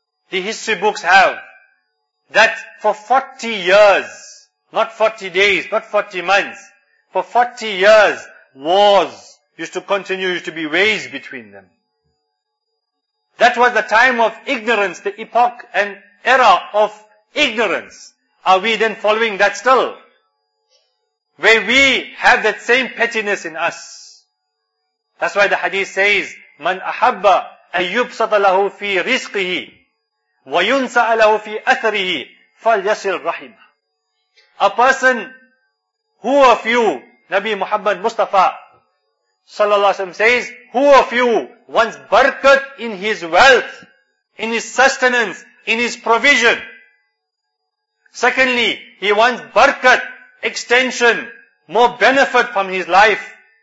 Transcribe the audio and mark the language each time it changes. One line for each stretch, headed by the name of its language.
English: The history books have that for 40 years, not 40 days, not 40 months, for 40 years, wars used to continue, used to be waged between them. That was the time of ignorance, the epoch and era of ignorance. Are we then following that still? Where we have that same pettiness in us. That's why the hadith says,
Arabic: مَنْ أَحَبَّ أَيُّبْسَطَ لَهُ فِي رِزْقِهِ وَيُنْسَأَ لَهُ فِي أَثَرِهِ فَلْيَصِلْ رَحِمَهُ.
English: A person Who of you, Nabi Muhammad Mustafa, sallallahu alaihi wasallam says, who of you wants barakat in his wealth, in his sustenance, in his provision? Secondly, he wants barakat, extension, more benefit from his life.